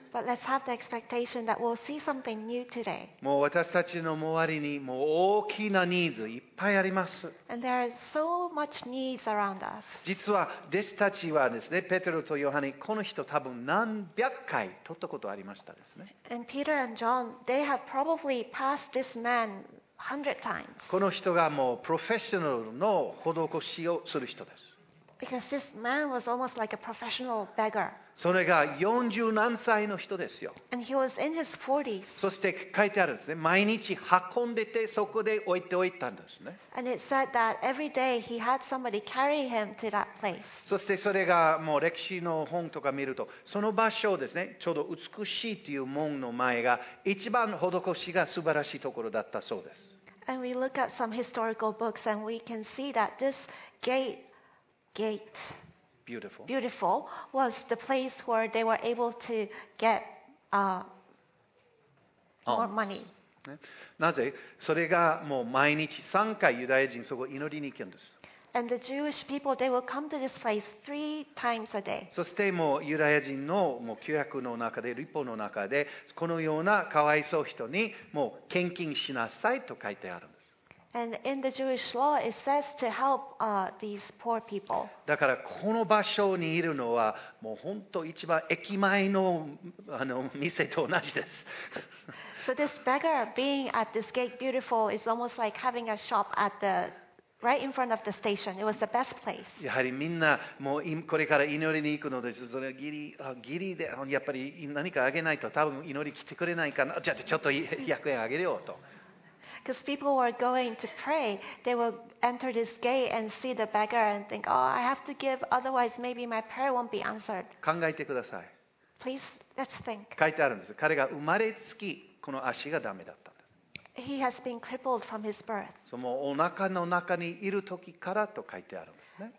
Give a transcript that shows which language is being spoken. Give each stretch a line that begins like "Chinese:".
English: But let's have the expectation that we'll see something new today.
Japanese: もう私たちの周りにもう大きなニーズいっぱいあります。
English: And there are so much needs around us.
Japanese: 実は弟子たちはですね、ペテロとヨハネこの人多分何百回取ったことありましたですね。
English: And Peter and John They have probably passed this man 100 times.
Japanese: この人がもうプロフェッショナルの施しをする人です。
English: Because this man was almost like a professional beggar.
Japanese: それが40何歳の人ですよ。
English: And he was in his 40s.
Japanese: そして書いてあるんですね。毎日運んでてそこで置いておいたんですね。
English: And it said that every day he had somebody carry him to that place.
Japanese: そしてそれがもう歴史の本とか見ると、その場所をですね、ちょうど美しいという門の前が一番施しが素晴らしいところだったそうです。
English: And we look at some historical books and we can see that this gate. Gate. Beautiful. Beautiful was the place where they were able to get more money.
Japanese: なぜ？それがもう毎日3回ユダヤ人そこ祈りに行くんです。
English: And the Jewish people, they will come to this place 3 times a day.
Japanese: そしてもうユダヤ人のもう旧約の中で、律法の中で、このようなかわいそう人にもう献金しなさいと書いてあるんです。
English: And in the Jewish law, it says to help these poor people.
Japanese: だからこの場所にいるのはもう本当一番駅前のあの店と同じです。
English: So this beggar being at this gate beautiful is almost like having a shop at the right in front of the station. It was the best place.
Japanese: やはりみんなもうこれから祈りに行くのです。それギリギリでやっぱり何かあげないと多分祈り来てくれないかな。じゃあちょっと100円あげようと。
English: because people were going to pray, they would enter this gate and see the beggar and think, oh, I have to give, otherwise maybe my prayer won't be answered.
Japanese: 考えてください。
English: Please, let's think.
Japanese: 書いてあるんです。彼が生まれつきこの足がダメだったんです。
English: He has been crippled from his birth.
Japanese: そのお腹の中にいる時からと書いてあるんですね。